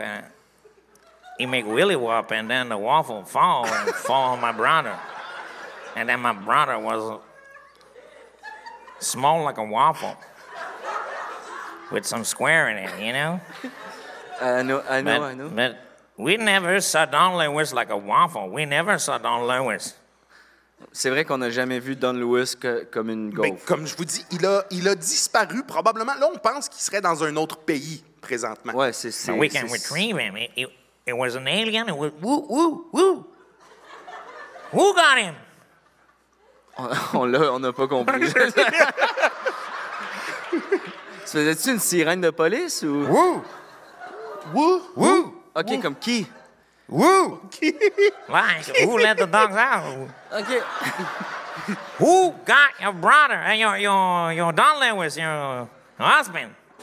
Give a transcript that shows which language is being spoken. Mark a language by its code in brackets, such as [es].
[en] And he made Willy Whop, and then the waffle fall on my brother. And then my brother was small like a waffle with some square in it, you know? I know. But we never saw Don Lewis like a waffle. We never saw Don Lewis. [fr] C'est vrai qu'on n'a jamais vu Don Lewis comme une gaufre. Mais comme je vous dis, il a disparu probablement. Là, on pense qu'il serait dans un autre pays présentement. Ouais, c'est [en] we can retrieve him. It was an alien. It was woo, woo, woo. Who got him? [fr] On n'a pas compris. Tu faisais-tu une sirène de police ou... Woo! Woo! Woo! [en] OK, woo. [fr] Comme qui? Woo! [en] Like, who let the dogs out? OK. Who got your brother and your Don Lewis, your husband?